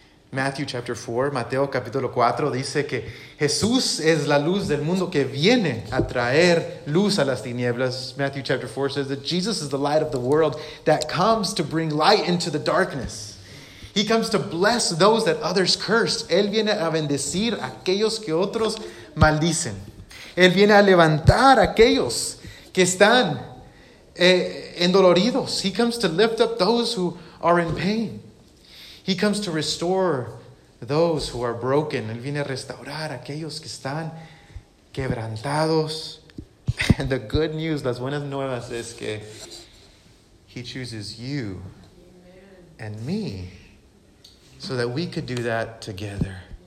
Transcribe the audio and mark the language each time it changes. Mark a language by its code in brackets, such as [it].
[en] Matthew chapter 4, [es] Mateo capítulo 4, dice que Jesús es la luz del mundo que viene a traer luz a las tinieblas. [en] Matthew chapter 4 says that Jesus is the light of the world that comes to bring light into the darkness. He comes to bless those that others curse. [es] Él viene a bendecir a aquellos que otros maldicen. Él viene a levantar a aquellos que están endoloridos. [en] He comes to lift up those who are in pain. He comes to restore those who are broken. [es] Él viene a restaurar a aquellos que están quebrantados. [en] And the good news, [es] las buenas nuevas, es que [en] he chooses you and me so that we could do that together.